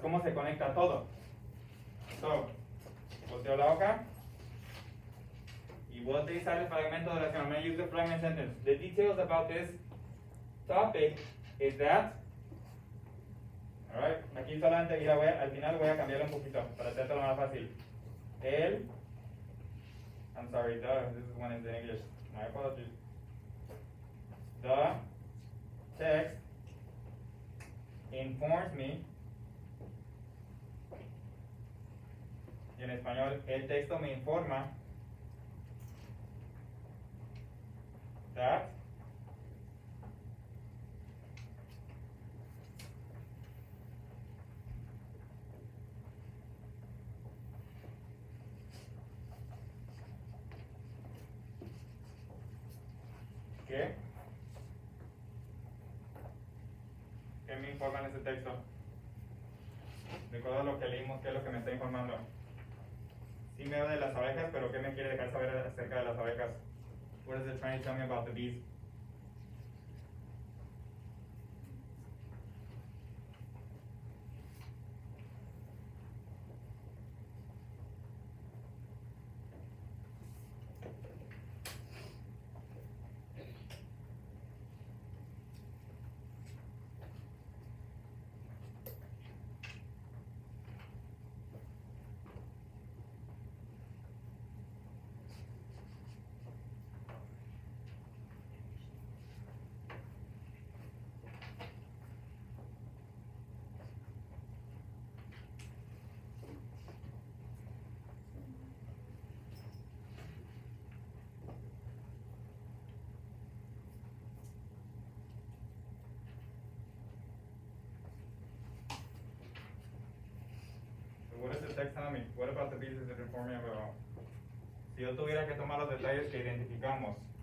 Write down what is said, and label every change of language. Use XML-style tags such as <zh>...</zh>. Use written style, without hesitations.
<es>¿Cómo se conecta todo? So, volteo la hoja y voy a utilizar el fragmento de oración.</es> <en>I'm going to use the fragment sentence. The details about this topic is that...</en> <es>Alright, aquí solamente mira, al final voy a cambiarlo un poquito para hacerlo más fácil.</es> <en>El, I'm sorry, this is one in English. My apologies. The text informs me.</en> <es>Y en español, el texto me informa that. ¿Qué me informa en ese texto? De acuerdo a lo que leímos, ¿qué es lo que me está informando? Sí me habla de las abejas, pero ¿qué me quiere dejar saber acerca de las abejas?</es> <en>What is it trying to tell me about the bees? What about the pieces that inform me about?</en> <es>Si yo tuviera que tomar los detalles que identificamos.</es>